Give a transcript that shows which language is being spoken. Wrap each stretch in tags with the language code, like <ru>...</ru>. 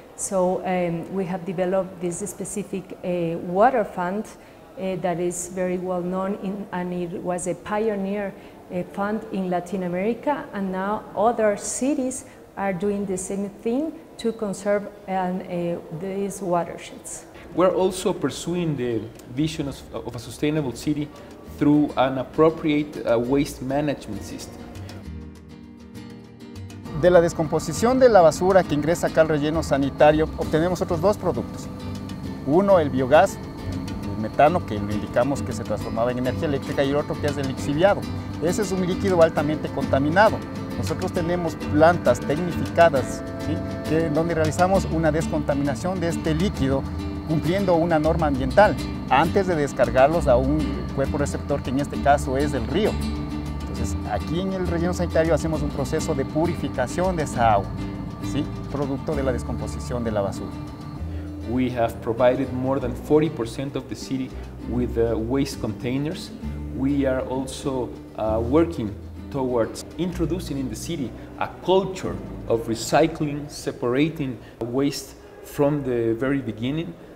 <en>So we have developed this specific water fund that is very well known, and it was a pioneer fund in Latin America, and now other cities are doing the same thing to conserve these watersheds. We're also pursuing the vision of a sustainable city through an appropriate waste management system.</en> <es>De la descomposición de la basura que ingresa acá al relleno sanitario, obtenemos otros dos productos. Uno, el biogás, el metano, que indicamos que se transformaba en energía eléctrica, y el otro que es el lixiviado. Ese es un líquido altamente contaminado. Nosotros tenemos plantas tecnificadas, ¿sí?, que, donde realizamos una descontaminación de este líquido cumpliendo una norma ambiental, antes de descargarlos a un cuerpo receptor que en este caso es el río. Entonces, aquí en el relleno sanitario hacemos un proceso de purificación de esa agua, ¿sí?, producto de la descomposición de la basura.</es> <en>We have provided more than 40% of the city with waste containers. We are also working towards introducing in the city a culture of recycling, separating waste from the very beginning.</en>